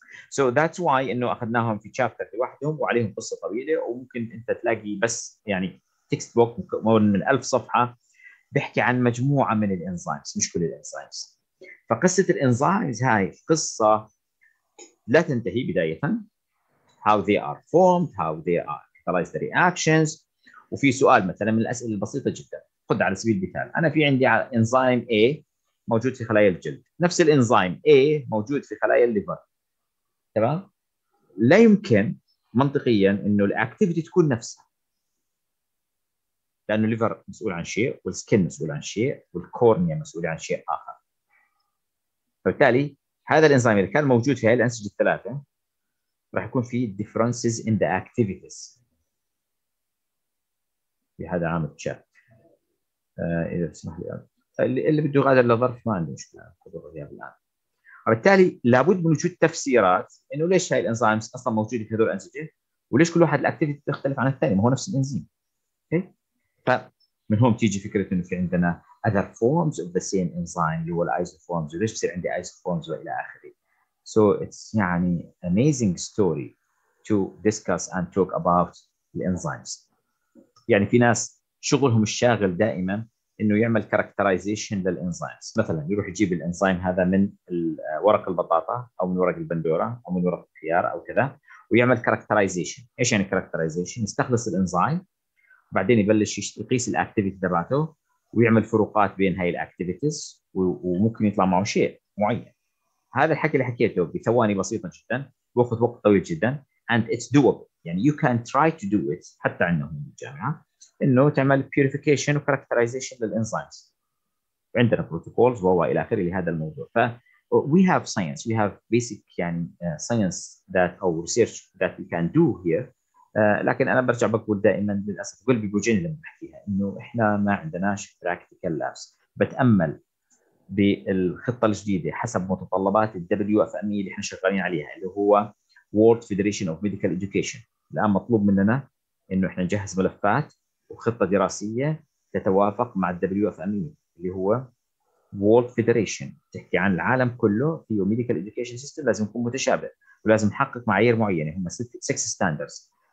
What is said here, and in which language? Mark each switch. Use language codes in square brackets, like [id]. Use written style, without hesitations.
[en] so that's why [ar] انه اخذناهم في شابتر لوحدهم وعليهم قصه طويله، وممكن انت تلاقي بس يعني تكست بوك من 1000 صفحه بيحكي عن مجموعه من الانزيمز مش كل الانزيمز. فقصه الانزيمز هاي قصه لا تنتهي بدايه. [en] How they are formed, how they are catalyzed the reactions. [ar] وفي سؤال مثلا من الاسئله البسيطه جدا، خذ على سبيل المثال انا في عندي انزيم A موجود في خلايا الجلد، نفس الانزيم A موجود في خلايا الليفر. تمام؟ لا يمكن منطقيا انه الاكتيفيتي تكون نفسها. لانه الليفر مسؤول عن شيء، والسكن مسؤول عن شيء، والكورنيا مسؤول عن شيء اخر. فبالتالي هذا الانزيم اذا كان موجود في هاي الانسجه الثلاثه راح يكون في [en] differences in the activities. [ar] بهذا عام الشات. اذا تسمح لي اللي بده يغادر لظرف ما عنده مشكله، خذوا الغياب الان. وبالتالي لابد من وجود تفسيرات انه ليش هاي الانزيمز اصلا موجوده في هذول الانسجه، وليش كل واحد الاكتيفيتي تختلف عن الثاني؟ ما هو نفس الانزيم. اوكي، فمن هون تيجي فكره انه في عندنا [en] other forms of the same enzyme [ar] اللي هو الايزوفورمز، وليش بصير عندي ايزوفورمز والى اخره. [en] So it's يعني amazing story to discuss and talk about the enzymes. [ar] يعني في ناس شغلهم الشاغل دائما انه يعمل characterization للانزيمز، مثلا يروح يجيب الانزيم هذا من ورق البطاطا او من ورق البندوره او من ورق الخيار او كذا، ويعمل characterization. ايش يعني characterization؟ يستخلص الانزيم بعدين يبلش يقيس الاكتيفيتي تبعته ويعمل فروقات بين هاي الاكتيفيتيز، وممكن يطلع معه شيء معين. هذا الحكي اللي حكيته بثواني بسيطه جدا، باخذ وقت طويل جدا. [en] And it's doable. يعني you can try to do it. [ar] حتى عندهم الجامعة إنه تعمل purification و characterization للإنزيمز. عندنا protocols وهو إلى آخره لهذا الموضوع. [en] ف we have science. We have basic يعني science that or research that we can do here. [ar] لكن أنا برجع بقول دائما للأسف قلبي بوجن لما أحكيها إنه إحنا ما عندناش practical labs. بتأمل بالخطة الجديدة حسب متطلبات WFME اللي إحنا شغالين عليها اللي هو World Federation of Medical Education. الآن مطلوب مننا إنه إحنا نجهز ملفات وخطة دراسية تتوافق مع WFME اللي هو World Federation، تحكي عن العالم كله في Medical Education System، لازم يكون متشابه ولازم نحقق معايير معينة، هم 6 standards.